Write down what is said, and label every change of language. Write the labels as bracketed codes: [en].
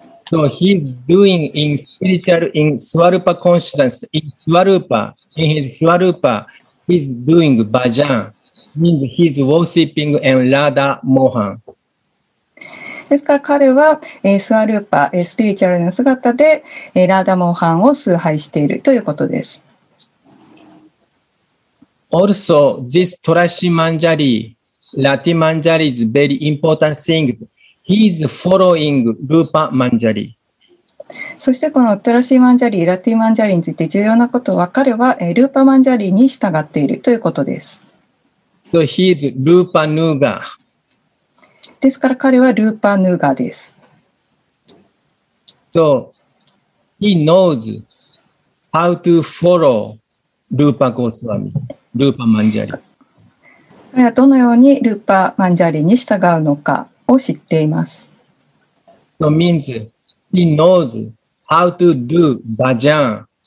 [en] So he is doing in spiritual in Swarupa consciousness in Swarupa in his Swarupa. He is doing bhajan. Means he's worshipping and Radha Mohan. [ja] ですから彼は、スワルーパ、スピリチュアルな姿で、ラーダモーハンを崇拝しているということです。 [en] Also, this Trashi Manjari, Lati Manjari is very important thing. He is following Rupa Manjari. [ja] そしてこのトラシーマンジャリー、ラティマンジャリーについて重要なことは、彼は、ルーパマンジャリーに従っているということです。 [en] So he is Rupa Nuga. [ja] ですから彼はルーパヌーガです。 [en] So he knows how to follow Rupa Goswami, Rupa Manjari. [ja] 彼はどのようにルーパマンジャリに従うのかを知っています。 [en] So means he knows how to do bhajan.